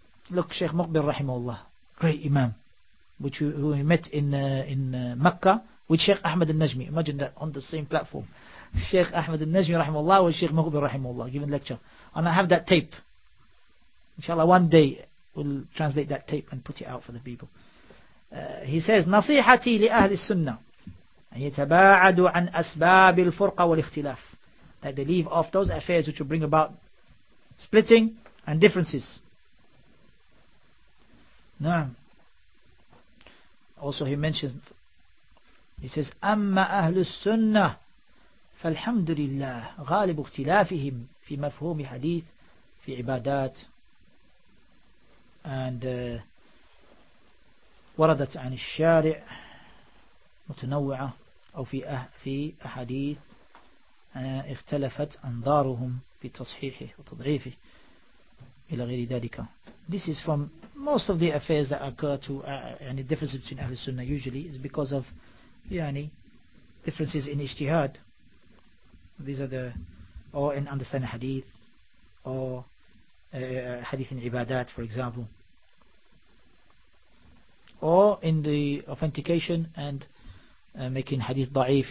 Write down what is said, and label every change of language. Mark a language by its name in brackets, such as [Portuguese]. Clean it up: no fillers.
[English] Look, Shaykh Muqbil Rahimahullah, great Imam, who we met in Mecca. With Sheikh Ahmed al-Najmi, imagine that, on the same platform. Sheikh Ahmed al-Najmi rahimahullah and Sheikh Muqbil rahimahullah giving lecture. And I have that tape. Inshallah, one day we'll translate that tape and put it out for the people. He says, [Arabic] نصيحتي لأهل السنة أن يتباعدوا عن أسباب الفرقة والاختلاف. [English] That they leave off those affairs which will bring about splitting and differences. Now, also he mentions, he says, [Arabic] أَمَّا أَهْلُ السُّنَّةِ فَالْحَمْدُ لِلَّهِ غَالِبُ اخْتِلَافِهِمْ فِي مَفْهُومِ حَدِيثِ فِي عِبَادَاتِ [English] And [Arabic] وَرَدَتْ عَنِ الشَّارِعِ مُتَنَوِّعَةً أو في أحاديث اختلفت أنظارهم في تصحيحه وتضعيفه إلى غير ذلك. [English] This is from most of the affairs that occur to the difference between [Arabic] أهل السنة [English] usually is because of yani differences in ijtihad. These are the, or in understanding hadith, or hadith in ibadat, for example, or in the authentication and making hadith da'if.